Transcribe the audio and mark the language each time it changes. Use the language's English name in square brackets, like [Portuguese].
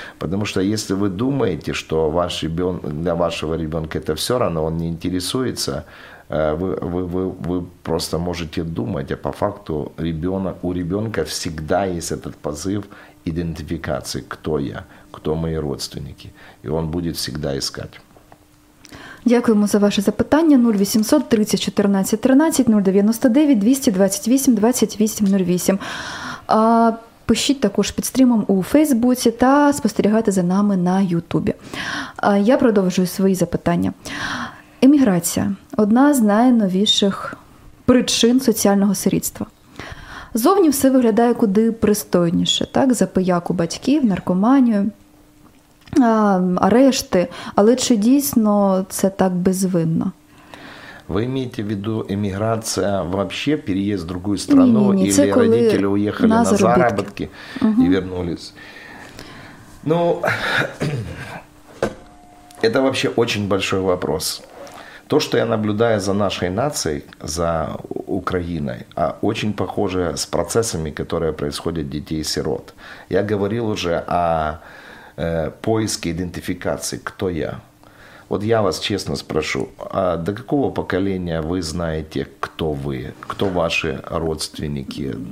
[Russian] Потому что если вы думаете, что ваш ребенок, для вашего ребенка это все равно, он не интересуется, вы просто можете думать, а по факту у ребенка всегда есть этот позыв идентификации, кто я, кто мои родственники. И он будет всегда искать. [Ukrainian] Дякуємо за ваше запитання. 0800 30 14 13 099 228 2808. Пишіть також під стрімом у Фейсбуці та спостерігайте за нами на Ютубі. Я продовжую свої запитання. Еміграція – одна з найновіших причин соціального сирітства. Зовні все виглядає куди пристойніше, так, за пияку батьків, наркоманію, арешти, але чи дійсно це так безвинно? Ви маєте в виду еміграція, взагалі переїзд в іншу країну, і батьки уїхали на заробітки і повернулись? Ну, це взагалі дуже великий вопрос. [Russian] То, что я наблюдаю за нашей нацией, за Украиной, очень похоже с процессами, которые происходят детей-сирот. Я говорил уже о поиске идентификации, кто я. Вот я вас честно спрошу, а до какого поколения вы знаете, кто вы, кто ваши родственники?